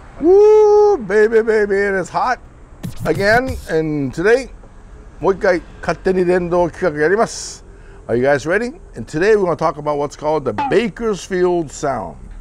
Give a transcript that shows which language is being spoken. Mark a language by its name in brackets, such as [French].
[English] Woo, baby, baby, it is hot again. And today, [Japanese] もう一回勝手に連動企画やります。 [English] Are you guys ready? And today we're going to talk about what's called the Bakersfield sound.